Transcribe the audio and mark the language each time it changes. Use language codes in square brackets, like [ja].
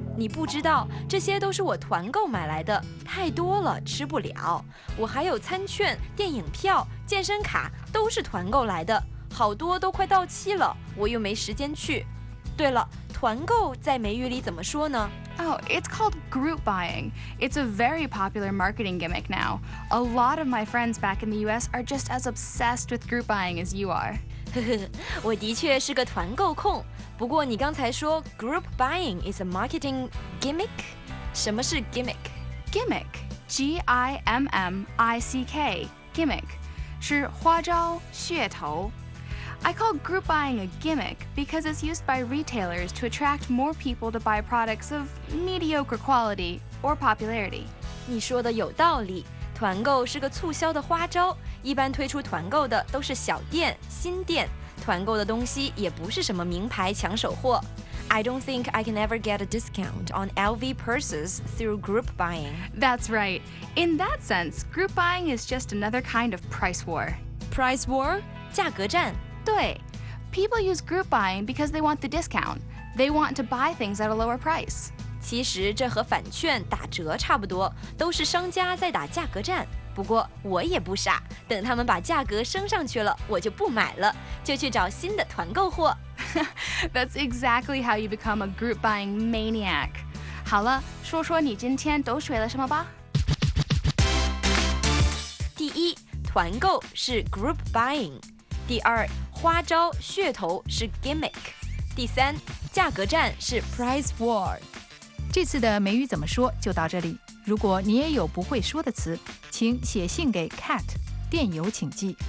[zh] 你不知道，这些都是我团购买来的，太多了，吃不了。我还有餐券、电影票、健身卡，都是团购来的，好多都快到期了，我又没时间去。对了，团购在美语里怎么说呢？ [en] Oh, it's called group buying. It's a very popular marketing gimmick now. A lot of my friends back in the US are just as obsessed with group buying as you are. [zh] 我的确是个团购控。不过你刚才说 [en] group buying is a marketing gimmick? [zh] 什么是 gimmick? [en] Gimmick, G-I-M-M-I-C-K, gimmick, [zh] 是花招、噱头。 [en] I call group buying a gimmick because it's used by retailers to attract more people to buy products of mediocre quality or popularity. [zh] 你说的有道理，团购是个促销的花招，一般推出团购的都是小店、新店，团购的东西也不是什么名牌抢手货。 [en] I don't think I can ever get a discount on LV purses through group buying. That's right. In that sense, group buying is just another kind of price war. [zh] Price war? 价格战。 [en] 对, people use group buying because they want the discount. They want to buy things at a lower price. [zh] 其实这和返券打折差不多，都是商家在打价格战。不过我也不傻，等他们把价格升上去了，我就不买了，就去找新的团购货。 [en] That's exactly how you become a group buying maniac. [zh] 好了，说说你今天都学了什么吧。第一，团购是 group buying。第二，花招噱头是 gimmick。第三，价格战是 price war。这次的美语怎么说就到这里，如果你也有不会说的词，请写信给 cat， 电邮请寄